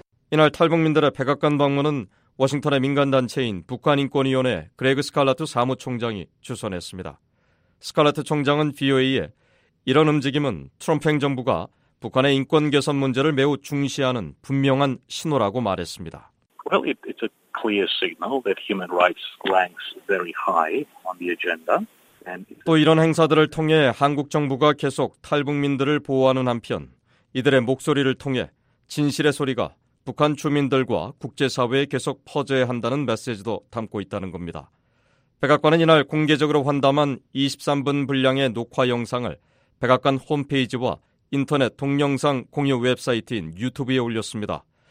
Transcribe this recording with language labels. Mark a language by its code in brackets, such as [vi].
[ko] 이날 탈북민들의 백악관 방문은 워싱턴의 민간단체인 북한인권위원회 그레그 스칼라트 사무총장이 주선했습니다. 스칼라트 총장은 VOA에 이런 움직임은 트럼프 행정부가 북한의 인권 개선 문제를 매우 중시하는 분명한 신호라고 말했습니다. [en] Well, it's a clear signal that human rights ranks very high on the agenda. [ko] 또 이런 행사들을 통해 한국 정부가 계속 탈북민들을 보호하는 한편 이들의 목소리를 통해 진실의 소리가 북한 주민들과 국제사회에 계속 퍼져야 한다는 메시지도 담고 있다는 겁니다. 백악관은 이날 공개적으로 환담한 23분 분량의 녹화 영상을 백악관 홈페이지와 인터넷 동영상 공유 웹사이트인 유튜브에 올렸습니다.